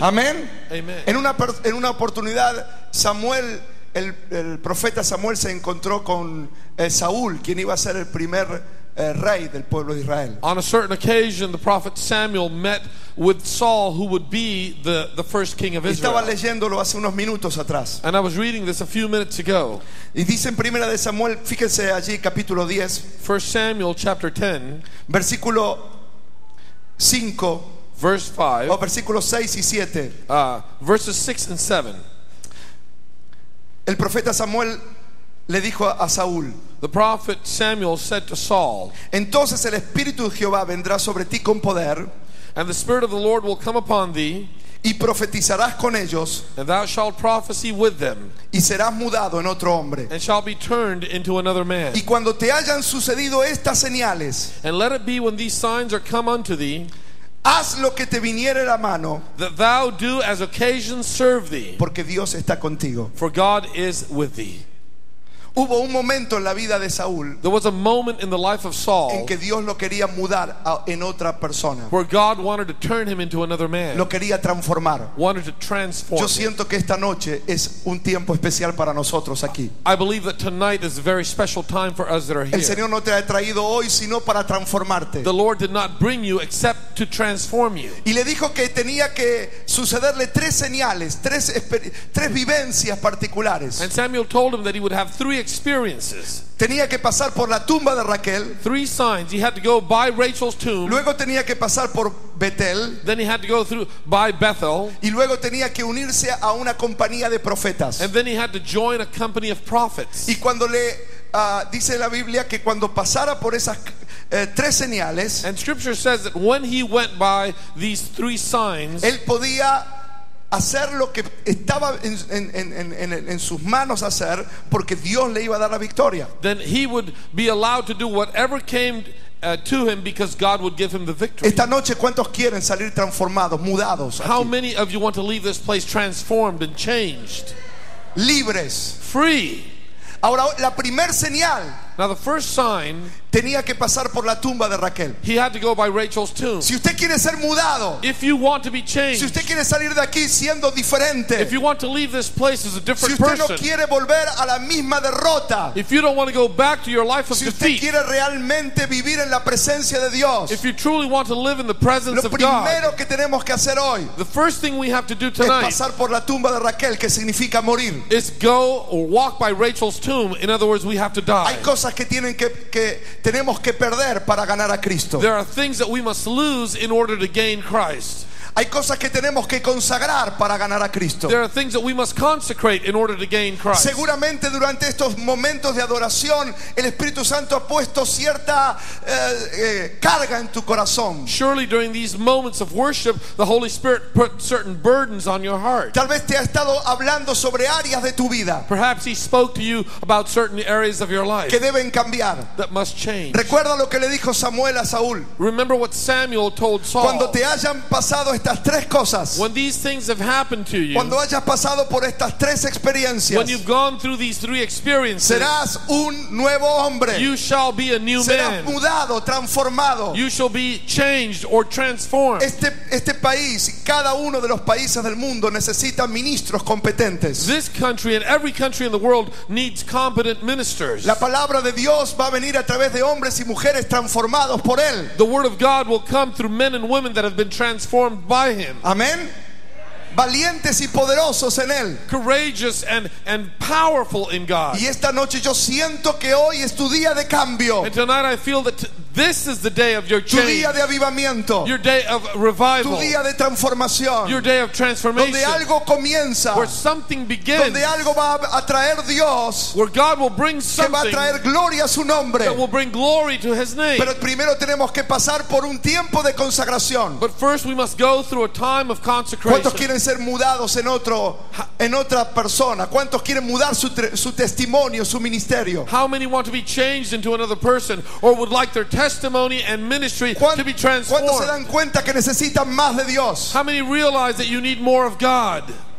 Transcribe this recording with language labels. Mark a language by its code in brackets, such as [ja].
[es] Amén. [en] Amen. [es] En una oportunidad Samuel, el profeta Samuel se encontró con Saúl, quien iba a ser el primer rey del pueblo de Israel. [en] On a certain occasion the prophet Samuel met with Saul, who would be the first king of Israel. [es] Estaba leyéndolo hace unos minutos atrás. [en] And I was reading this a few minutes ago. [es] Y dice en Primera de Samuel, fíjense allí, capítulo 10, [en] 1 Samuel chapter 10, [es] versículo 5, [en] verse 5, [es] o versículos 6 y 7, [en] verses 6 and 7. [es] El profeta Samuel le dijo a Saúl, [en] the prophet Samuel said to Saul, [es] entonces el Espíritu de Jehová vendrá sobre ti con poder, [en] and the Spirit of the Lord will come upon thee, [es] y profetizarás con ellos, [en] and thou shalt prophesy with them, [es] y serás mudado en otro hombre, [en] and shall be turned into another man. [es] Y cuando te hayan sucedido estas señales, [en] and let it be when these signs are come unto thee, [es] haz lo que te viniere la mano, [en] that thou do as occasion serve thee, [es] porque Dios está contigo, [en] for God is with thee. [es] Hubo un momento en la vida de Saúl, [en] there was a moment in the life of Saul, [es] en que Dios lo quería mudar en otra persona, [en] where God wanted to turn him into another man, [es] lo quería transformar, [en] wanted to transform. [es] Yo siento que esta noche es un tiempo especial para nosotros aquí. [en] I believe that tonight is a very special time for us that are here. [es] El Señor no te ha traído hoy sino para transformarte. [en] The Lord did not bring you except to transform you. [es] Y le dijo que tenía que sucederle tres señales, tres vivencias particulares. [en] And Samuel told him that he would have three experiences. [es] Tenía que pasar por la tumba de Raquel. [en] Three signs. He had to go by Rachel's tomb. [es] Luego tenía que pasar por Betel. [en] Then he had to go through by Bethel. [es] Y luego tenía que unirse a una compañía de profetas. [en] And then he had to join a company of prophets. [es] Y cuando le dice la Biblia que cuando pasara por esas tres señales, [en] and scripture says that when he went by these three signs, [es] él podía hacer lo que estaba en sus manos hacer, porque Dios le iba a dar la victoria. [en] Then he would be allowed to do whatever came to him, because God would give him the victory. [es] Esta noche, ¿cuántos quieren salir transformados, mudados? [en] How [es] aquí? [en] Many of you want to leave this place transformed and changed? [es] Libres. [en] Free. [es] Ahora, la primer señal. [en] Now the first sign. [es] Tenía que pasar por la tumba de Raquel. [en] He had to go by Rachel's tomb. [es] Si usted quiere ser mudado, [en] if you want to be changed, [es] si usted quiere salir de aquí siendo diferente, [en] if you want to leave this place as a different person, [es] si usted no quiere volver a la misma derrota, [en] if you don't want to go back to your life of defeat, [es] si usted quiere realmente vivir en la presencia de Dios, [en] if you truly want to live in the presence of God, [es] lo primero que tenemos que hacer hoy, [en] the first thing we have to do tonight, [es] es pasar por la tumba de Raquel, que significa morir, [en] is go or walk by Rachel's tomb. In other words, we have to die. [es] Hay cosas que tienen que tenemos que perder para ganar a Cristo. [en] There are things that we must lose in order to gain Christ. [es] Hay cosas que tenemos que consagrar para ganar a Cristo. [en] There are things that we must consecrate in order to gain Christ. [es] Seguramente durante estos momentos de adoración, el Espíritu Santo ha puesto cierta carga en tu corazón. [en] Surely during these moments of worship, the Holy Spirit put certain burdens on your heart. [es] Tal vez te ha estado hablando sobre áreas de tu vida. [en] Perhaps he spoke to you about certain areas of your life [es] que deben cambiar. [en] That must change. [es] Recuerda lo que le dijo Samuel a Saúl. [en] Remember what Samuel told Saul. [es] Cuando te hayan pasado estas tres cosas, [en] when these things have happened to you, [es] cuando hayas pasado por estas tres experiencias, [en] when you've gone through these three experiences, [es] serás un nuevo hombre, [en] you shall be a new [es] serás serás mudado, transformado, [en] you shall be changed or transformed. [es] Este país, cada uno de los países del mundo necesita ministros competentes. [en] This country and every country in the world needs competent ministers. [es] La palabra de Dios va a venir a través de hombres y mujeres transformados por él. [en] The word of God will come through men and women that have been transformed by him. [es] Amen. Valientes y poderosos en él. [en] Courageous and powerful in God. [es] Y esta noche yo siento que hoy es tu día de cambio. [en] And tonight I feel that this is the day of your change. [es] Tu día de avivamiento. [en] Your day of revival. [es] Tu día de transformación. [en] Your day of transformation. [es] Donde algo comienza. [en] Where something begins. [es] Donde algo va a traer Dios. [en] Where God will bring something. [es] Que va a traer gloria a su nombre. [en] That will bring glory to his name. [es] Pero primero tenemos que pasar por un tiempo de consagración. [en] But first we must go through a time of consecration. [es] Quieren ser mudados en otra persona. ¿Cuántos quieren mudar su testimonio, su ministerio? [en] How many want to be changed into another person, or would like their testimony and ministry to be transformed? [es] ¿Cuántos se dan cuenta que necesitan más de Dios? [en] How many realize that you need more of God?